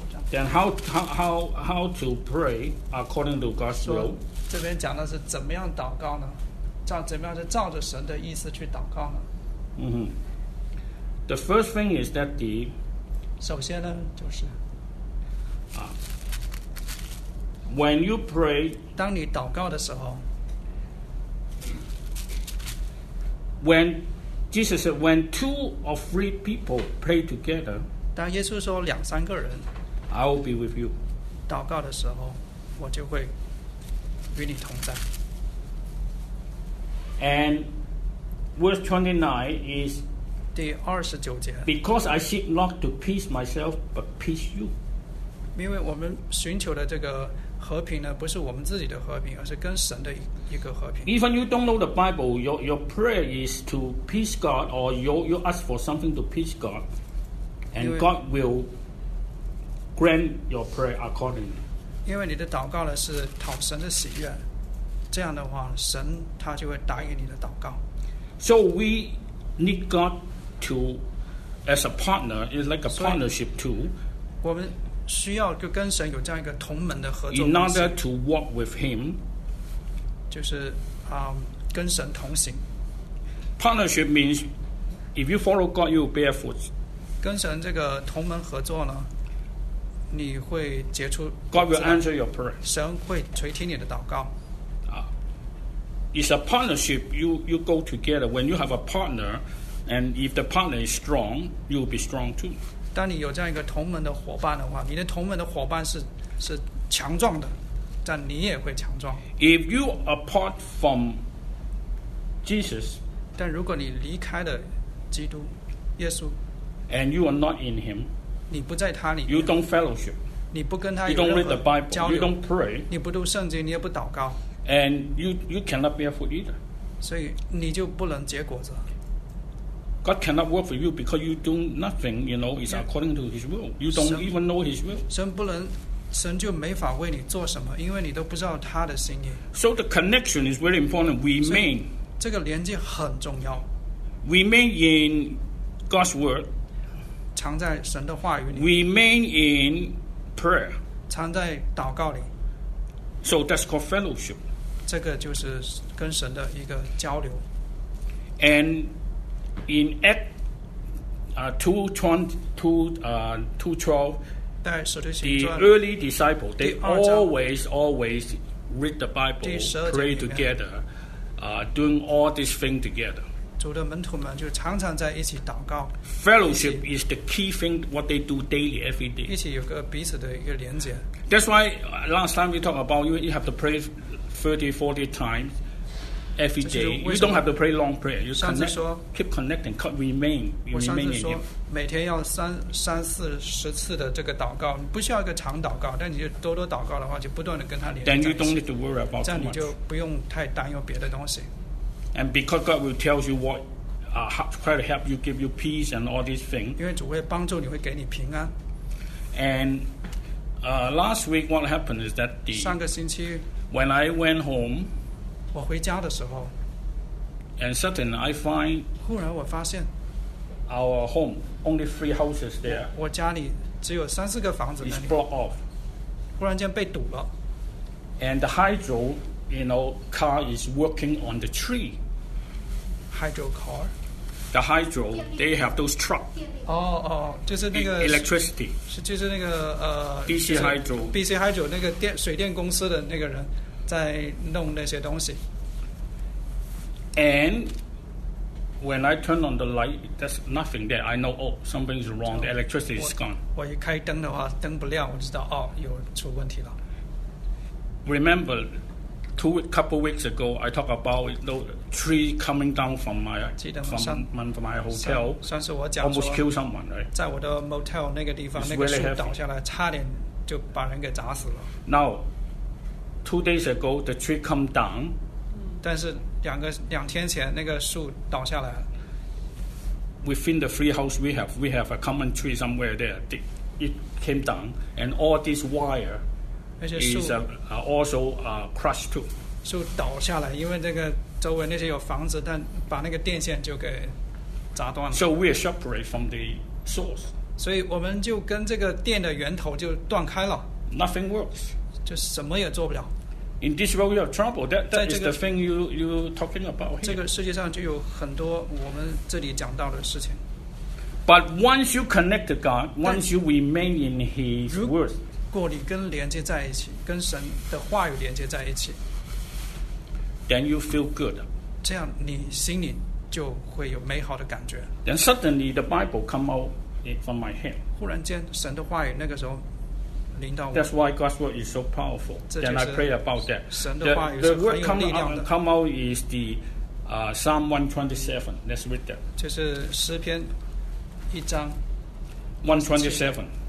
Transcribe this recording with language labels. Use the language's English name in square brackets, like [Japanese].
[English] Then how to pray according to God's will. [Chinese] 这边讲的是怎么样祷告呢？怎么样是照着神的意思去祷告呢？ [English] The first thing is that the [Chinese] 首先呢就是 [English] When you pray [Chinese] 当你祷告的时候 [English] WhenJesus said, when two or three people pray together, [Chinese] 当耶稣说两三个人 [English] I will be with you. [Chinese] 祷告的时候，我就会与你同在。 [English] And verse 29 is, [Chinese] 第二十九节 [English] Because I seek not to peace myself, but peace you. [Chinese] 因为我们寻求的这个和平呢，不是我们自己的和平，而是跟神的一个和平。 [English] Even you don't know the Bible, your prayer is to please God, or you ask for something to please God, and God will grant your prayer accordingly. [Chinese] 因为你的祷告呢是讨神的喜悦，这样的话，神他就会答应你的祷告。 [English] So we need God to as a partner, it's like a partnership too. [Chinese] 我们需要就跟神有这样一个同盟的合作。 [English] In order to walk with Him, [Chinese] 就是跟神同行。 [English] Partnership means if you follow God, you will bear fruit. [Chinese] 跟神这个同盟合作呢，你会结出。 [English] God will answer your prayer. [Chinese] 神会垂听你的祷告。 [English] It's a partnership. You go together. When you have a partner, and if the partner is strong, you will be strong too. [Chinese] 当你有这样一个同盟的伙伴的话，你的同盟的伙伴是强壮的，这样你也会强壮。 [English] If you apart from Jesus, [Chinese] 但如果你离开了基督，耶稣 [English] ，and you are not in Him, [Chinese] 你不在他里面 [English] ，you don't fellowship, [Chinese] 你不跟他有任何交流 [English] ，you don't read the Bible, you don't pray, [Chinese] 你不读圣经，你也不祷告。 [English] And you cannot bear fruit either. [Chinese] 所以你就不能结果子。 [English] God cannot work for you because you do nothing. You know, it's according to His will. You don't even know His will. [Chinese] 神不能，神就没法为你做什么，因为你都不知道他的心意。 [English] So the connection is very important. Remain. [Chinese] 这个连接很重要。 [English] Remain in God's word. [Chinese] 藏在神的话语里。 [English] Remain in prayer. [Chinese] 藏在祷告里。 [English] So that's called fellowship. [Chinese] 这个就是跟神的一个交流。 [English] And in Acts 2:12, the early disciples, they always read the Bible, pray together, doing all these things together. [Chinese] 主的门徒们就常常在一起祷告。 [English] Fellowship is the key thing what they do daily, every day. [Chinese] 一起有个彼此的一个连接。 [English] That's why last time we talked about you have to pray 30-40 times every day. You don't have to pray long prayer. You connect, keep connecting, remain. You remain in Him. [Chinese] 我上次说每天要三四十次的这个祷告，不需要一个长祷告，但你就多多祷告的话，就不断的跟他连接。 [English] Then you don't need to worry about too much. [Chinese] 这样你就不用太担忧别的东西。 [English] And because God will tell you what, try to help you, give you peace and all these things. [Chinese] 因为主会帮助你，会给你平安。 [English] And last week, what happened is that the [Chinese] 上个星期 [English] when I went home, [Chinese] 我回家的时候 [English] and suddenly I find [Chinese] 忽然我发现 [English] our home only 3 houses there. [Chinese] 我家里只有三四个房子那里 [English] is blocked off. [Chinese] 忽然间被堵了 [English] and the hydro, you know, car is working on the tree. Hydro car. The hydro, they have those trucks. [Chinese] Oh, oh, 就是那个 [English] electricity. [Chinese] 就是那个 [English] DC hydro. [Chinese] DC hydro 那个电水电公司的那个人在弄那些东西。 [English] And when I turn on the light, there's nothing there. I know, oh, something's wrong. The electricity is gone. [Chinese] 我一开灯的话，灯不亮，我知道哦，有出问题了。 [English] Remember. Couple weeks ago, I talked about the tree coming down from my hotel. [Chinese] 上次我讲说 [English] almost killed someone, right? [Chinese] 在我的 motel 那个地方，那个树倒下来，差点就把人给砸死了。 [English] Now, 2 days ago, the tree come down. [Chinese] 但是两天前，那个树倒下来。 [English] Within the free house we have a common tree somewhere there. It came down, and all this wire. Is also crushed too. [Chinese] 树倒下来，因为那个周围那些有房子，但把那个电线就给砸断了。 [English] So we are separate from the source. [Chinese] 所以我们就跟这个电的源头就断开了。 [English] Nothing works. [Chinese] 就什么也做不了。 [English] In this world, we have trouble. That is the thing you talking about. [Chinese] 这个世界上就有很多我们这里讲到的事情。 [English] But once you connect to God, once you remain in His word. [Chinese] 如果你跟连接在一起，跟神的话语连接在一起 [English] ，then you feel good. [Chinese] 这样你心里就会有美好的感觉。 [English] Then suddenly the Bible come out from my hand. [Chinese] 忽然间，神的话语那个时候临到我。 [English] That's why God's word is so powerful. Then I pray about that. [Chinese] 神的话语是很有力量的。 [English] Come out is the Psalm 127. Let's read that. [Chinese] 就是诗篇一章。 127。